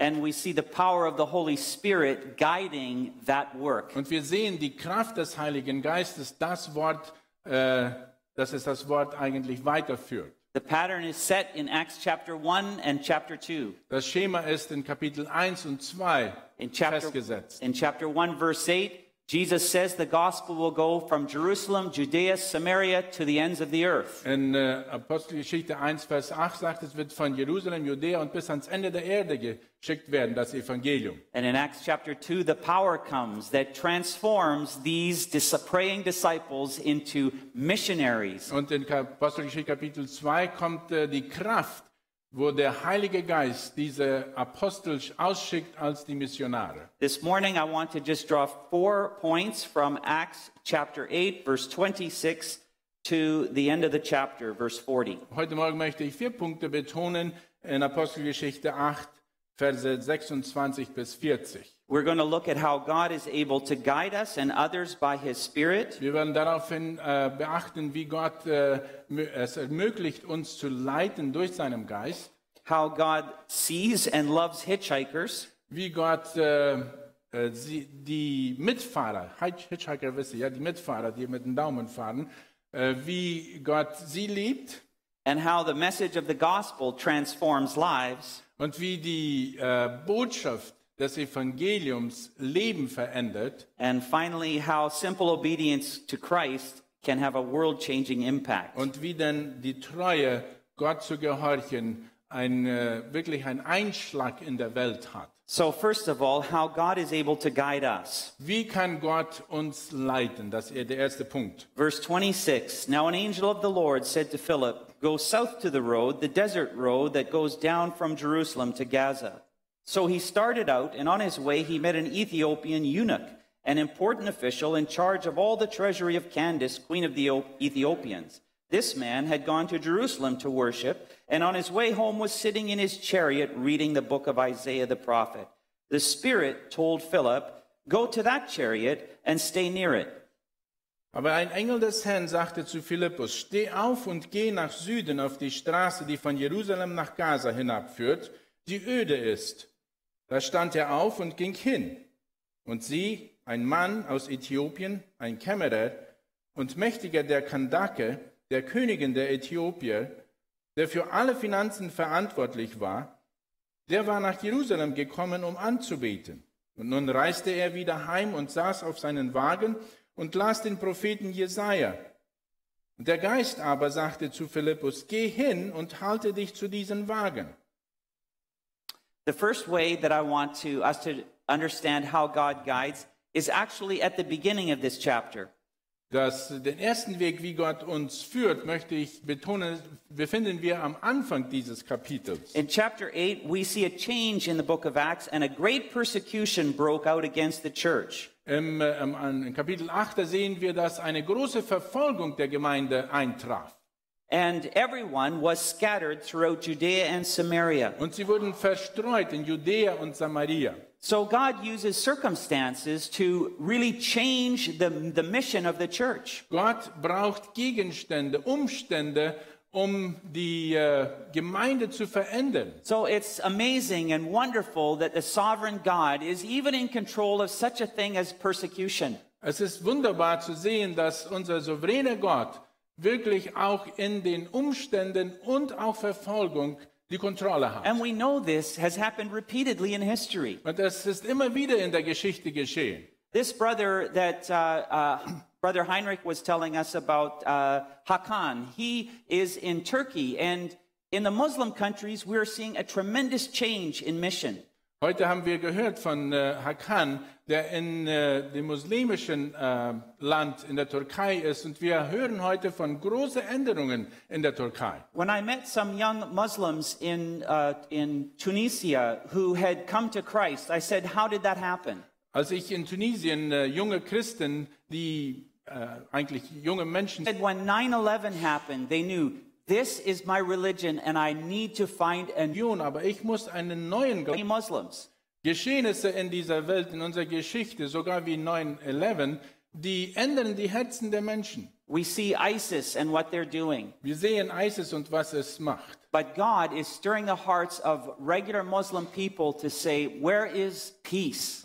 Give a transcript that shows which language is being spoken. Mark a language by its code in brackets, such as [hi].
[en] And we see the power of the Holy Spirit guiding that work. [de] Und wir sehen die Kraft des Heiligen Geistes, das Wort, dass es das Wort eigentlich weiterführt. [en] The pattern is set in Acts chapter 1 and chapter 2. [de] Das Schema ist in Kapitel 1 und 2 festgesetzt. [en] In chapter 1 verse 8, Jesus says the gospel will go from Jerusalem, Judea, Samaria to the ends of the earth. [de] In Apostelgeschichte 1, Vers 8 sagt, es wird von Jerusalem, Judea und bis ans Ende der Erde geschickt werden, das Evangelium. [en] And in Acts chapter 2, the power comes that transforms these praying disciples into missionaries. [de] Und in Apostelgeschichte Kapitel 2 kommt die Kraft, wo der Heilige Geist diese Apostel ausschickt als die Missionare. [en] This morning I want to just draw 4 points from Acts chapter 8 verse 26 to the end of the chapter verse 40. [de] Heute Morgen möchte ich 4 Punkte betonen in Apostelgeschichte 8 Verse 26 bis 40. [en] We're going to look at how God is able to guide us and others by His Spirit. [de] Wir werden daraufhin beachten, wie Gott es ermöglicht, uns zu leiten durch seinen Geist. [en] How God sees and loves hitchhikers. [de] Wie Gott die Mitfahrer, Hitchhiker wissen, ja, die Mitfahrer, die mit dem Daumen fahren, wie Gott sie liebt. [en] And how the message of the gospel transforms lives. [de] Und wie die Botschaft das Evangeliums Leben verändert. [en] And finally, how simple obedience to Christ can have a world-changing impact. [de] Und wie denn die Treue, Gott zu gehorchen, wirklich ein Einschlag in der Welt hat. [en] So first of all, how God is able to guide us. [de] Wie kann Gott uns leiten? Das ist der erste Punkt. [en] Verse 26. Now an angel of the Lord said to Philip, go south to the road, the desert road that goes down from Jerusalem to Gaza. So he started out, and on his way he met an Ethiopian eunuch, an important official in charge of all the treasury of Candace, queen of the Ethiopians. This man had gone to Jerusalem to worship, and on his way home was sitting in his chariot reading the book of Isaiah the prophet. The Spirit told Philip, go to that chariot and stay near it. [de] Aber ein Engel des Herrn sagte zu Philippus, steh auf und geh nach Süden auf die Straße, die von Jerusalem nach Gaza hinabführt, die öde ist. Da stand er auf und ging hin. Und sie, ein Mann aus Äthiopien, ein Kämmerer und Mächtiger der Kandake, der Königin der Äthiopier, der für alle Finanzen verantwortlich war, der war nach Jerusalem gekommen, um anzubeten. Und nun reiste er wieder heim und saß auf seinen Wagen und las den Propheten Jesaja. Der Geist aber sagte zu Philippus, geh hin und halte dich zu diesen Wagen. [en] The first way that I want us to understand how God guides is actually at the beginning of this chapter. [de] Dass den ersten Weg, wie Gott uns führt, möchte ich betonen, befinden wir am Anfang dieses Kapitels. [en] In chapter 8, we see a change in the book of Acts and a great persecution broke out against the church. [de] In Kapitel 8 sehen wir, dass eine große Verfolgung der Gemeinde eintraf. [en] And everyone was scattered throughout Judea and Samaria. [de] Und sie wurden verstreut in Judäa und Samaria. [en] So God uses circumstances to really change the mission of the church. [de] Gott braucht Gegenstände, Umstände, die Gemeinde zu verändern. [en] So it's amazing and wonderful that the sovereign God is even in control of such a thing as persecution. [de] Es ist wunderbar zu sehen, dass unser souveräner Gott wirklich auch in den Umständen und auch Verfolgung die Kontrolle hat. [en] And we know this has happened repeatedly in history. [de] Und das ist immer wieder in der Geschichte geschehen. [en] This brother that Brother Heinrich was telling us about, Hakan, he is in Turkey, and in the Muslim countries we are seeing a tremendous change in mission. [de] Heute haben wir gehört von Hakan, der in dem muslimischen Land in der Türkei ist, und wir hören heute von großen Änderungen in der Türkei. [en] When I met some young Muslims in Tunisia who had come to Christ, I said, how did that happen? [de] Als ich in Tunesien junge Christen, die eigentlich junge Menschen, [en] said, when 9/11 happened, they knew, this is my religion and I need to find a new, [de] aber ich muss einen neuen [en] Muslims. [de] Geschehnisse in dieser Welt, in unserer Geschichte, sogar wie 9/11, die ändern die Herzen der Menschen. [en] We see ISIS and what they're doing. [de] Wir sehen ISIS und was es macht. [en] But God is stirring the hearts of regular Muslim people to say, where is peace?